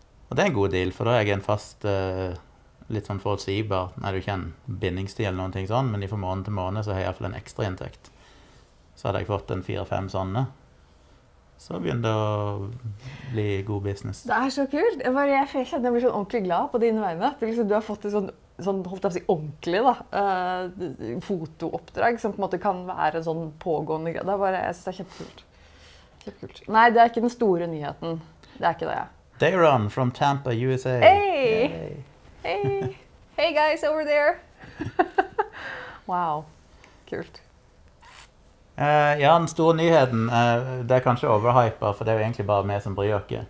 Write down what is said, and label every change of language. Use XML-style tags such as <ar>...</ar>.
<no>Og det er en god deal, for da er jeg en fast, litt sånn forutsigbar, nei, du kjenner bindingstid eller noen ting sånn, men fra måned til måned så har jeg i hvert fall en ekstra inntekt. Så hadde jeg fått en 4-5 sånne. Så begynner det å bli god business. Det er så kult. Jeg føler at jeg blir sånn ordentlig glad på dine vegne. Du har fått et sånn, holdt jeg på å si, ordentlig da, fotooppdrag som på en måte kan være en sånn pågående greie. Det er bare, jeg synes det er kjempekult. Kjempekult. Nei, det er ikke den store nyheten. Det er ikke det.</no> <en>Dayron from Tampa, USA. Hey! Yay. Hey! Hey guys over there! Wow. Kult.</en> <no>Ja, den store nyheten, det er kanskje overhypet, for det er jo egentlig bare vi som bryr dere.</no>